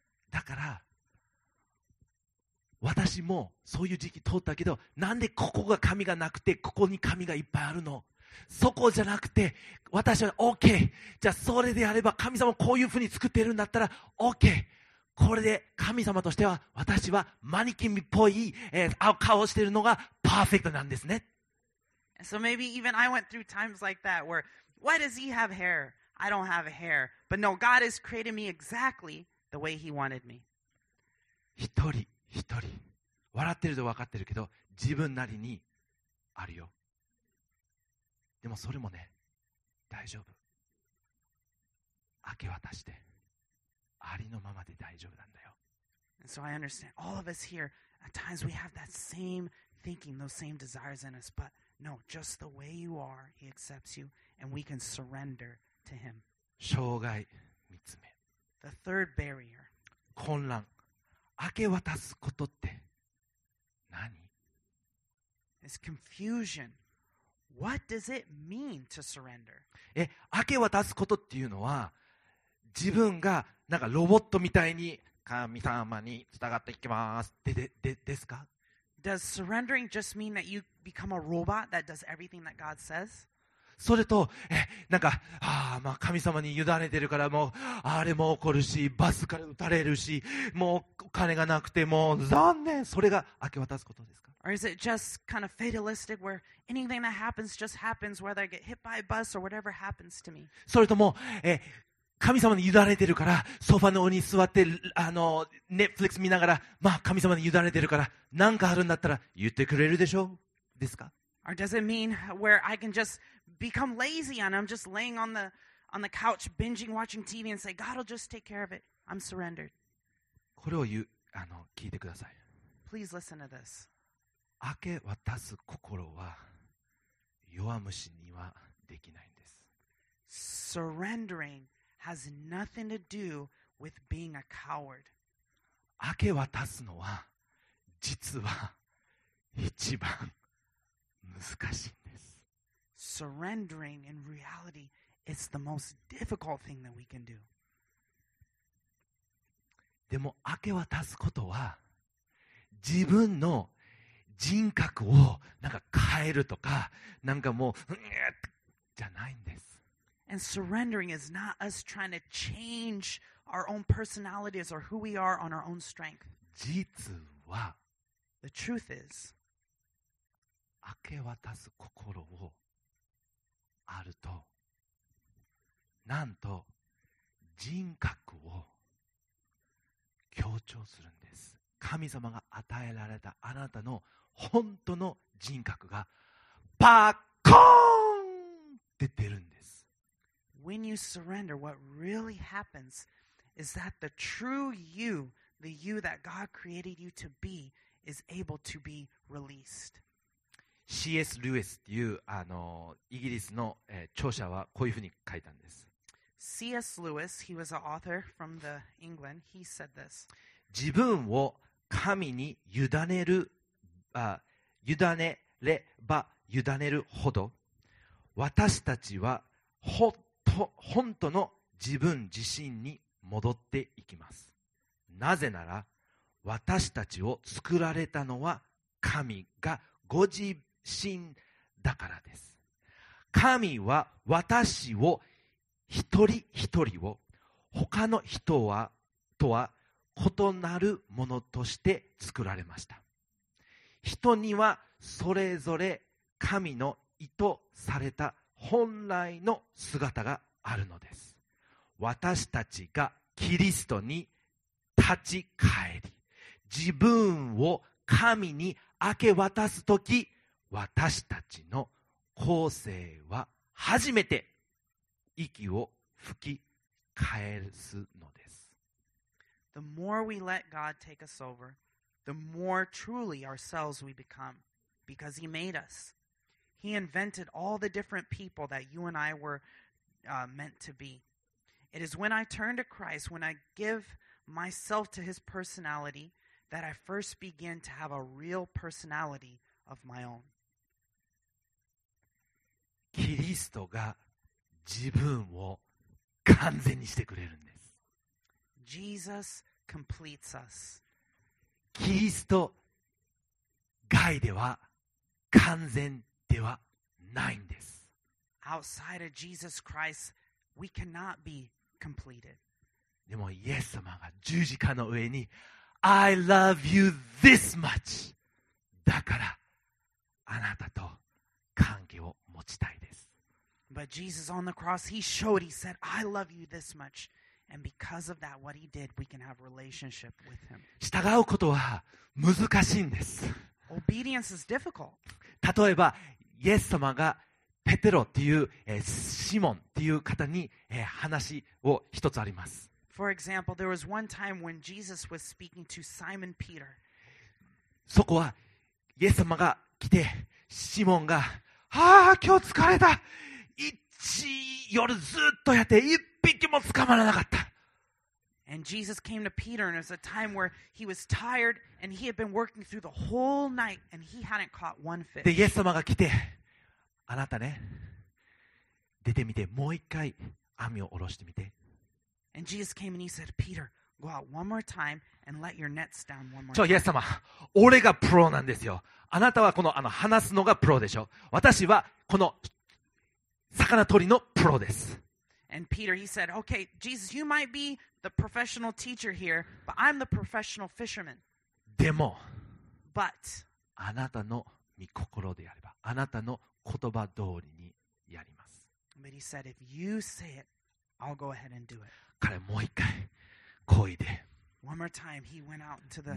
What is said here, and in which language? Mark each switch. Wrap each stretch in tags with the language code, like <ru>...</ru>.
<ja>だから私もそういう時期通ったけど、なんでここが神がなくてここに神がいっぱいあるの? そこじゃなくて、私は OK、じゃあそれであれば神様こういうふうに作っているんだったら OK、これで神様としては私はマニキンっぽい、顔をしているのがパーフェクトなんですね。</ja> <en>So maybe even I went through times like that where, why does he have hair? I don't have hair. But no, God has created me exactly the way he wanted me.</en> <ja>一人。一人笑ってると分かってるけど自分なりにあるよ。でもそれもね大丈夫、明け渡してありのままで大丈夫なんだよ。</ja> <en>And so I understand all of us here at times we have that same thinking, those same desires in us, but no, just the way you are, he accepts you and we can surrender to him.</en> <ja>障害三つ目、</ja> <en>the third barrier、</en> <ja>混乱、明け渡すことって何?</ja> <en>It's confusion. What does it mean to surrender?</en> <ja>明け渡すことっていうのは自分がなんかロボットみたいに神様に従っていきますですか?</ja> <en>Does surrendering just mean that you become a robot that does everything that God says?</en> <ja>それと、なんか、まあ、神様に委ねてるからもうあれも起こるし、バスから撃たれるし、もうお金がなくてもう残念、それが明け渡すことですか?</ja> <en>Or is it just kind of fatalistic where anything that happens just happens, whether I get hit by a bus or whatever happens to me?</en> <ja>それとも、神様に委ねてるからソファの上に座ってNetflix 見ながら、まあ、神様に委ねてるから何かあるんだったら言ってくれるでしょうですか?</ja> <en>Or does it mean where I can justbecome lazy and I'm just laying on the couch binging watching TV and say God will just take care of it. I'm surrendered.</en> <ja>これを言う、聞いてください。</ja> <en>Please listen to this.</en> <ja>明け渡す心は弱虫にはできないんです。</ja> <en>Surrendering has nothing to do with being a coward.</en> <ja>明け渡すのは実は一番難しい。</ja> <en>Surrendering in reality is the most difficult thing that we can do.</en> <ja>でも明け渡すことは自分の人格をなんか変えるとかなんかもうじゃないんです。</ja> <en>And surrendering is not us trying to change our own personalities or who we are on our own strength.</en> <ja>実は</ja> <en>The truth is</en> <ja>明け渡す心をあるとなんと人格を強調するんです。神様が与えられたあなたの本当の人格がパッコーンって出るんです。</ja> <en>When you surrender, what really happens is that the true you, the you that God created you to be, is able to be released C.S.</en> <ja>ルイスというイギリスの、著者はこういうふうに書いたんです。</ja> <en>C.S. Lewis, he was an author from the England, he said this.</en> <ja>自分を神に委ねる、委ねれば委ねるほど、私たちは本当の自分自身に戻っていきます。なぜなら、私たちを作られたのは神がご自分神だからです。神は私を一人一人を他の人はとは異なるものとして作られました。人にはそれぞれ神の意図された本来の姿があるのです。私たちがキリストに立ち返り自分を神に明け渡すとき私たちの構成は初めて息を吹き返すのです。</ja> <en>The more we let God take us over, the more truly ourselves we become, because He made us. He invented all the different people that you and I were meant to be. It is when I turn to Christ, when I give myself to his personality, that I first begin to have a real personality of my own.</en> <ja>キリストが自分を完全にしてくれるんです。</ja> <en>Jesus completes us.</en> <ja>キリスト外では完全ではないんです。</ja> <en>Outside of Jesus Christ, we cannot be completed.</en> <ja>でもイエス様が十字架の上に</ja> <en>I love you this much.</en> <ja>だからあなたと関係を持ちたいです。</ja> <en>But Jesus on the cross, he showed, he said, I love you this much. And because of that, what he did, we can have a relationship with him.</en> <ja>従うことは難しいんです。</ja> <en>Obedience is difficult.</en> <ja>例えば、イエス様がペテロっていう、シモンっていう方に、話を一つあります。</ja> <en>For example, there was one time when Jesus was speaking to Simon Peter.</en> <ja>そこは、イエス様が来て、シモンが、あ、今日疲れた。一夜ずっとやって一匹も捕まらなかった。</ja> <en>And Jesus came to Peter, and it was a time where he was tired, and he had been working through the whole night, and he hadn't caught one fish.</en> <ja>で、イエス様が来て、あなたね、出てみて、もう一回網を下ろしてみて。</ja> <en>And Jesus came and he said, Peter, go out one more time and let your nets down one more time.</en> <ja>ちょ、イエス様、俺がプロなんですよ。あなたはこの、話すのがプロでしょ。私はこの魚取りのプロです。</ja> <en>And Peter, he said, okay, Jesus, you might be the professional teacher here, but I'm the professional fisherman.</en> <ja>でも、</ja> <en>But,</en> <ja>あなたの御心であれば、あなたの言葉通りにやります。</ja> <en>But he said, if you say it, I'll go ahead and do it.</en> <ja>彼もう一回漕いで、</ja> <en>One more time, he went out into the</en>